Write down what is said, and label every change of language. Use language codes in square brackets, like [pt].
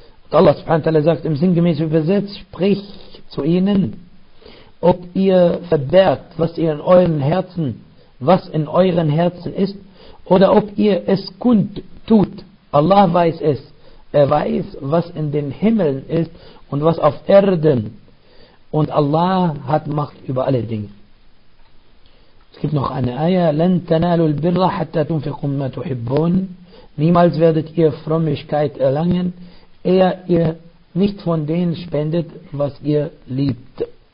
[de] Und Allah subhanahu wa ta'ala sagt im sinngemäßen Übersetz, sprich zu ihnen, ob ihr verbergt, was ihr in euren Herzen, was in euren Herzen ist, oder ob ihr es kundtut. Allah weiß es. Er weiß, was in den Himmeln ist und was auf Erden. Und Allah hat Macht über alle Dinge. Es gibt noch eine Aya, [ar] لَن تَنَالُوا الْبِرَّ حَتَّى تُنْفِقُمْ مَا تُحِبُّونَ. [de] Niemals werdet ihr Frömmigkeit erlangen, ehe ihr nicht von denen spendet, was ihr liebt.